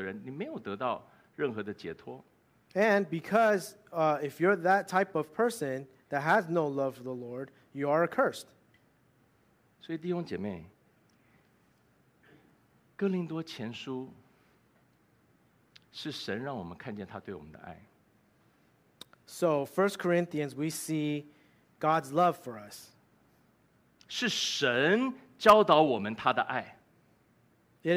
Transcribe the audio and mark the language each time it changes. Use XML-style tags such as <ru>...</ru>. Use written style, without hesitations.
<zh>最后是跟神的生命没有关系的，所以是一个受，你是因为罪而受到诅咒的人，你没有得到任何的解脱。</zh> <en>And because if you're that type of person that has no love for the Lord, you are accursed.</en> <zh>所以弟兄姐妹，哥林多前书是神让我们看见他对我们的爱。</zh> <en>So 1 Corinthians, we see God's love for us.</en> <zh>是神教导我们他的爱。</zh> <en>It</en>